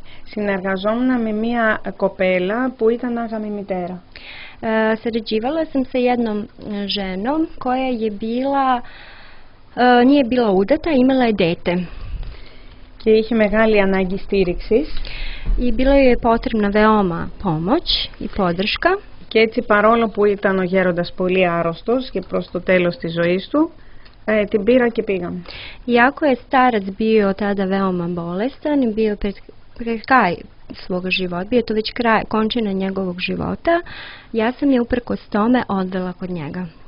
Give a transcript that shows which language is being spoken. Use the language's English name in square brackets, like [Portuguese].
[Greek] Συνεργαζόμουν με μία κοπέλα που ήταν άγαμη μητέρα. [Serbian] Sređivala sam sa jednom ženom koja je bila nije bila udata, imala je dete. [Greek] Και είχε μεγάλη ανάγκη στήριξης. [Serbian] I bila je potrebna veoma pomoć i podrška. [Greek] Και έτσι παρόλο που ήταν ο γέροντας πολύ άρρωστος και προς το τέλος της ζωής του, την πήρα και πήγα. [Serbian] Iako je starac bio tada veoma bolestan, bio pred kraj svog života, bio to već kraj, končina njegovog života, ja sam je uprkos tome odvela kod njega.